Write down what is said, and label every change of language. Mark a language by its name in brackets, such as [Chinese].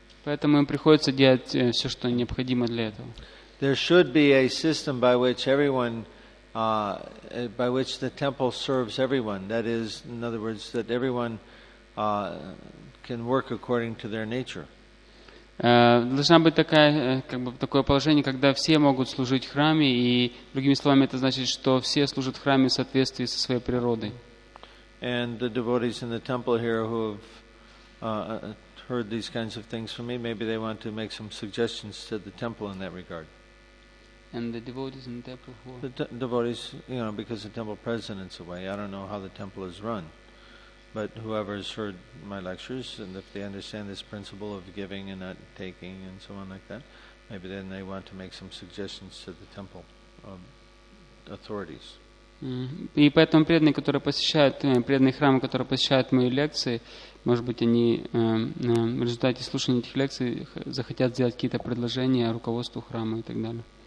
[Russian] Поэтому им приходится делать все, что необходимо для этого. [English] There should be a system by which everyone, by which the temple serves everyone. That is, in other words, that everyone can work according to their nature. [Russian] Должна быть такая, как бы такое положение, когда все могут служить в храме, и другими словами, это значит, что все служат в храме в соответствии со своей природой. [English] And the devotees in the temple here who have heard these kinds of things from me, maybe they want to make some suggestions to the temple in that regard. And the devotees in the temple who... The devotees, you know, because the temple president's away, I don't know how the temple is run. But whoever has heard my lectures, and if they understand this principle of giving and not taking and so on like that, maybe then they want to make some suggestions to the temple authorities. [Russian] И поэтому преданные, которые посещают преданные храмы, которые посещают мои лекции, может быть, они в результате слушания этих лекций захотят сделать какие-то предложения руководству храма и так далее.